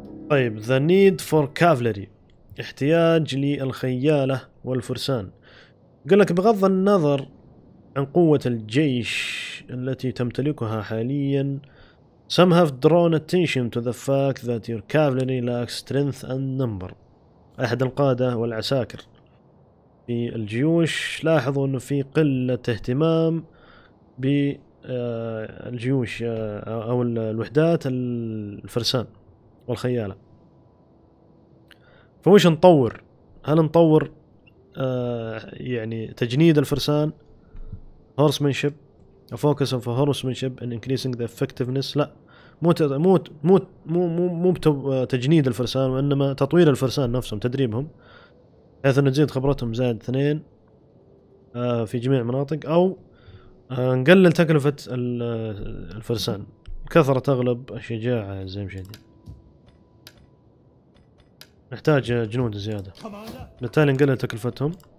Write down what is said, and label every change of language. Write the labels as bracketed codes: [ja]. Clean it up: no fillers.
[en] طيب The need for cavalry. [ar] احتياج للخيالة والفرسان. قلك بغض النظر عن قوة الجيش التي تمتلكها حاليا. [en] Some have drawn attention to the fact that your cavalry lacks strength and number. [ar] أحد القادة والعساكر في الجيوش لاحظوا أنه في قلة اهتمام بالجيوش أو الوحدات الفرسان والخيالة. فوش نطور؟ هل نطور يعني تجنيد الفرسان [en] horsemanship, a focus on horsemanship and increasing the effectiveness. [ar] لا مو مو مو مو مو تجنيد الفرسان, وإنما تطوير الفرسان نفسهم, تدريبهم حيث نزيد خبرتهم زائد 2 في جميع المناطق, أو نقلل تكلفة الفرسان. كثرة تغلب الشجاعة زي ما شايفين, نحتاج جنود زيادة, بالتالي نقلل تكلفتهم.